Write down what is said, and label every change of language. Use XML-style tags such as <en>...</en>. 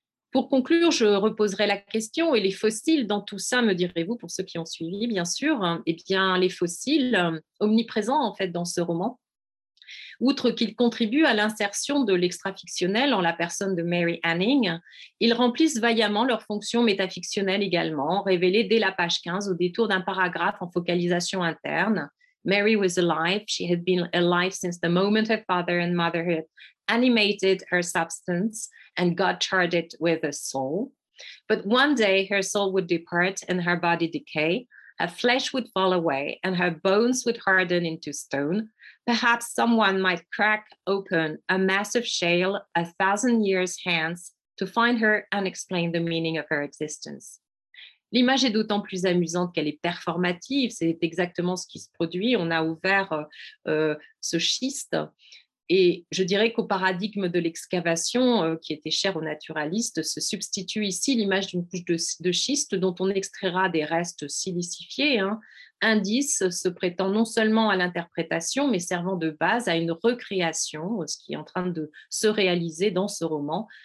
<fr>Pour conclure, je reposerai la question et les fossiles dans tout ça, me direz-vous, pour ceux qui ont suivi, bien sûr, eh bien, les fossiles, omniprésents en fait dans ce roman, outre qu'ils contribuent à l'insertion de l'extra-fictionnel en la personne de Mary Anning, ils remplissent vaillamment leur fonction métafictionnelle également, révélée dès la page 15 au détour d'un paragraphe en focalisation interne.</fr> <en>Mary was alive, she had been alive since the moment her father and motherhood animated her substance and God charged it with a soul. But one day her soul would depart and her body decay, her flesh would fall away and her bones would harden into stone. Perhaps someone might crack open a massive shale 1,000 years hence to find her and explain the meaning of her existence.</en> <fr>L'image est d'autant plus amusante qu'elle est performative, c'est exactement ce qui se produit. On a ouvert ce schiste et je dirais qu'au paradigme de l'excavation qui était cher aux naturalistes, se substitue ici l'image d'une couche de schiste dont on extraira des restes silicifiés, hein, indice se prêtant non seulement à l'interprétation mais servant de base à une recréation, ce qui est en train de se réaliser dans ce roman.</fr>